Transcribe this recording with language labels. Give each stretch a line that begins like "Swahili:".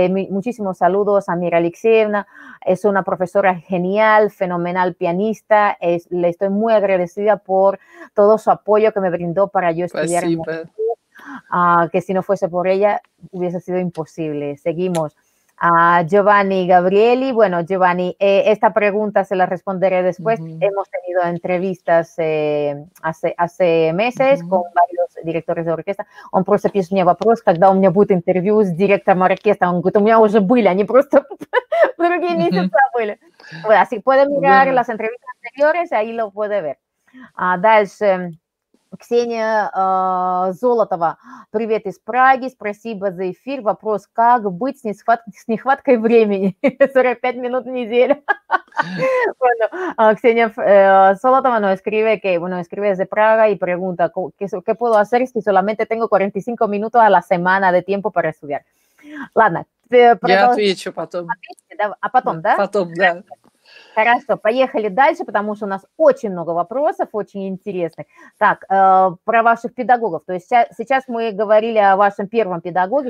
Spanish: Muchísimos saludos a Mira Alexeyevna, es una profesora genial, fenomenal pianista, le estoy muy agradecida por todo su apoyo que me brindó para yo estudiar, pues sí, que si no fuese por ella hubiese sido imposible. Seguimos, Giovanni Gabrieli, bueno Giovanni, esta pregunta se la responderé después, hemos tenido entrevistas hace meses con varios
Russian: директора оркестра, он просто пишет мне вопрос, когда у меня будет интервью с директором оркестра, он говорит, у меня уже были, они просто другие месяцы были.
Spanish: Bueno, así puede mirar las entrevistas anteriores, ahí lo puede ver.
Russian: Дальше, Ксения Золотова, привет из Праги, спасибо за эфир, вопрос, как быть с нехваткой времени, 45 минут в неделю.
Spanish: Bueno, Ксения Золотова escribe desde Praga y pregunta, ¿qué puedo hacer si solamente tengo 45 minutos a la semana de tiempo para estudiar?
Russian: Ладно. Я отвечу потом. А потом, да? Потом, да. Хорошо, поехали дальше, потому что у нас очень много вопросов, очень интересных. Так, про ваших педагогов. То есть сейчас мы говорили о вашем первом педагоге.